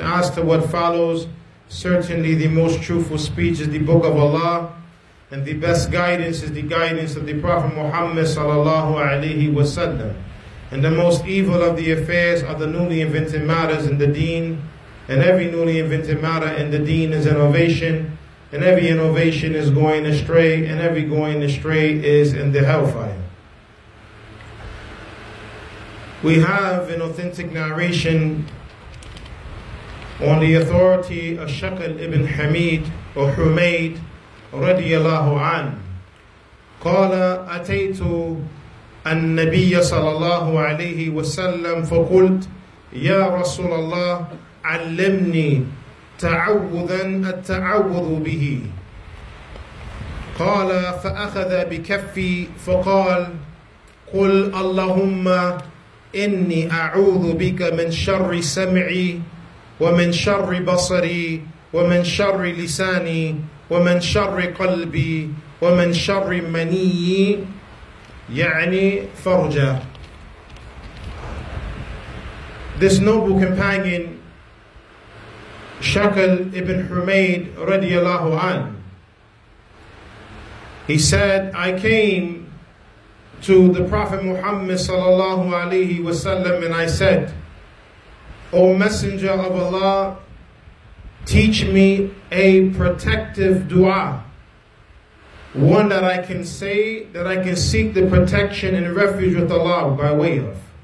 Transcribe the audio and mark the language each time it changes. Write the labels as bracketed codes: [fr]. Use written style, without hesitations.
[en] As to what follows, certainly the most truthful speech is the Book of Allah, and the best guidance is the guidance of the Prophet Muhammad sallallahu alayhi wa sallam. And the most evil of the affairs are the newly invented matters in the deen. And every newly invented matter in the deen is innovation. And every innovation is going astray. And every going astray is in the hellfire. We have an authentic narration on the authority of Shaqal ibn Hamid or Humaid [ar] رضي الله عنه قال أتيت النبي صلى الله عليه وسلم فقلت يا رسول الله علمني تعوذا التعوذ به قال فأخذ بكفي فقال قل اللهم إني أعوذ بك من شر سمعي ومن شر بصري ومن شر لساني ومن شر قلبي ومن شر مني يعني فرجة. [en] This noble companion, Shaqal ibn Humaid radiyallahu an, he said, I came to the Prophet Muhammad sallallahu alayhi wasallam and I said, O Messenger of Allah, teach me a protective dua, one that I can say that I can seek the protection and refuge with Allah by way of.